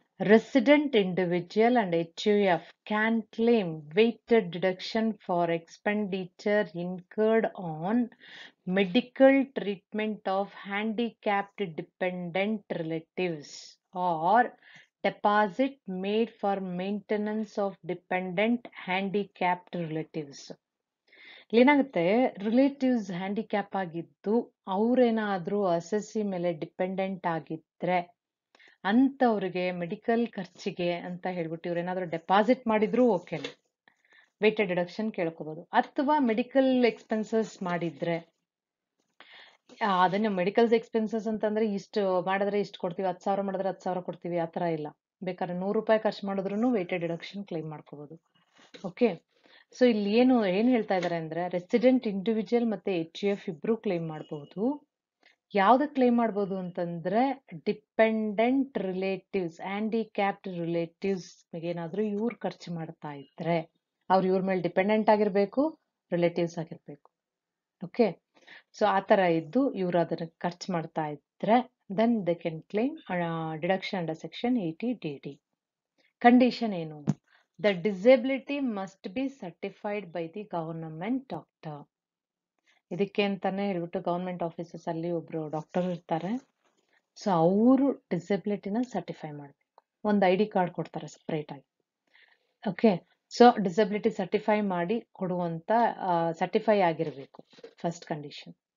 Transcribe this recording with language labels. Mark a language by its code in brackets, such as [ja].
[en] Resident individual and HUF can claim weighted deduction for expenditure incurred on medical treatment of handicapped dependent relatives or deposit made for maintenance of dependent handicapped relatives. [kn] ಏನಾಗುತ್ತೆ relatives handicap ಆಗಿದ್ದು ಅವರೇನಾದರೂ assessee ಮೇಲೆ dependent ಆಗಿದ್ರೆ ಅಂಥವ್ರಿಗೆ medical ಖರ್ಚಿಗೆ ಅಂತ ಹೇಳ್ಬಿಟ್ಟು ಇವ್ರೇನಾದರೂ deposit ಮಾಡಿದ್ರು okay weighted deduction ಕೇಳ್ಕೋಬೋದು. ಅಥವಾ ಮೆಡಿಕಲ್ ಎಕ್ಸ್ಪೆನ್ಸಸ್ ಮಾಡಿದ್ರೆ ಅದನ್ನ ಮೆಡಿಕಲ್ ಎಕ್ಸ್ಪೆನ್ಸಸ್ ಅಂತಂದ್ರೆ ಇಷ್ಟು ಮಾಡಿದ್ರೆ ಇಷ್ಟು ಕೊಡ್ತೀವಿ, 10,000 ಮಾಡಿದ್ರೆ 10,000 ಕೊಡ್ತೀವಿ ಆ ಥರ ಇಲ್ಲ. ಬೇಕಾದ್ರೆ 100 ರೂಪಾಯಿ ಖರ್ಚು ಮಾಡಿದ್ರು ವೇಟೆಡ್ ಡಿಡಕ್ಷನ್ ಕ್ಲೈಮ್ ಮಾಡ್ಕೋಬೋದು. ಓಕೆ, ಸೊ ಇಲ್ಲಿ ಏನು ಹೇಳ್ತಾ ಇದಾರೆ ಅಂದ್ರೆ ರೆಸಿಡೆಂಟ್ ಇಂಡಿವಿಜುವಲ್ ಮತ್ತೆ ಎಚ್ ಯು ಎಫ್ ಇಬ್ರು ಕ್ಲೈಮ್ ಮಾಡಬಹುದು. ಯಾವ್ದು ಕ್ಲೈಮ್ ಮಾಡಬಹುದು ಅಂತಂದ್ರೆ ಡಿಪೆಂಡೆಂಟ್ ರಿಲೇಟಿವ್ಸ್, ಹ್ಯಾಂಡಿಕ್ಯಾಪ್ಡ್ ರಿಲೇಟಿವ್ಸ್ ಏನಾದ್ರೂ ಇವ್ರು ಖರ್ಚು ಮಾಡ್ತಾ ಇದ್ರೆ, ಅವ್ರು ಇವ್ರ ಮೇಲೆ ಡಿಪೆಂಡೆಂಟ್ ಆಗಿರ್ಬೇಕು, ರಿಲೇಟಿವ್ಸ್ ಆಗಿರ್ಬೇಕು. ಓಕೆ, ಸೊ ಆ ತರ ಇದ್ದು ಇವ್ರು ಅದನ್ನ ಖರ್ಚು ಮಾಡ್ತಾ ಇದ್ರೆ [en] Then they can claim deduction under section 80DD. [kn] Condition ಏನು? [en] The disability must be certified by the government doctor. [kn] ಇದಕ್ಕೆ ಅಂತಾನೆ ಹೇಳ್ಬಿಟ್ಟು ಗವರ್ಮೆಂಟ್ ಆಫೀಸಸ್ ಅಲ್ಲಿ ಒಬ್ರು ಡಾಕ್ಟರ್ ಇರ್ತಾರೆ. ಸೊ ಅವರು ಡಿಸೆಬಿಲಿಟಿನ ಸರ್ಟಿಫೈ ಮಾಡಬೇಕು. ಒಂದು ಐ ಡಿ ಕಾರ್ಡ್ ಕೊಡ್ತಾರೆ ಸಪ್ರೇಟ್ ಆಗಿ. ಓಕೆ, ಸೊ ಡಿಸೆಬಿಲಿಟಿ ಸರ್ಟಿಫೈ ಮಾಡಿ ಕೊಡುವಂತ ಸರ್ಟಿಫೈ ಆಗಿರಬೇಕು ಫಸ್ಟ್ ಕಂಡೀಷನ್.